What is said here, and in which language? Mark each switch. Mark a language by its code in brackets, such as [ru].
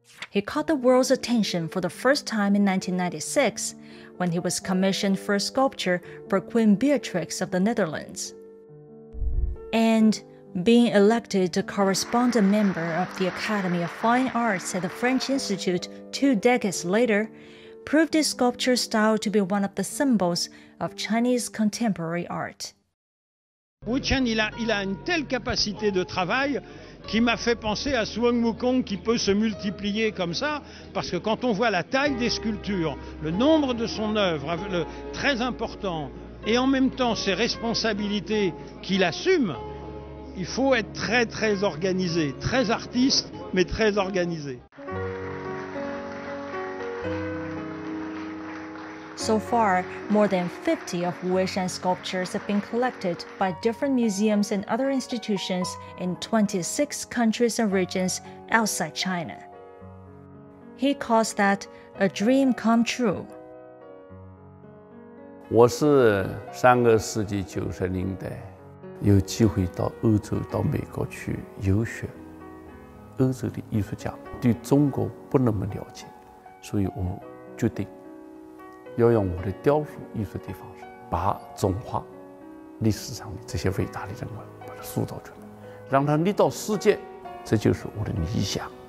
[en] He caught the world's attention for the first time in 1996 when he was commissioned for a sculpture for Queen Beatrix of the Netherlands. And being elected a correspondent member of the Academy of Fine Arts at the French Institute 2 decades later, proved his sculpture style to be one of the symbols of Chinese contemporary art. [fr] Wu Weishan, il a une telle capacité de travail qui m'a fait penser à Sun Wukong qui peut se multiplier comme ça, parce que quand on voit la taille des sculptures, le nombre de son œuvre, le très important, et en même temps ses responsabilités qu'il assume,Il faut être très très organisé, très artiste, mais très organisé. [en] So far, more than 50 of Wu Weishan sculptures have been collected by different museums and other institutions in 26 countries and regions outside China. He calls that a dream come true. [zh] 我是上个世纪九十年代。有机会到欧洲、到美国去游学，欧洲的艺术家对中国不那么了解，所以我决定要用我的雕塑艺术的方式，把中华历史上的这些伟大的人物把它塑造出来，让它立到世界，这就是我的理想。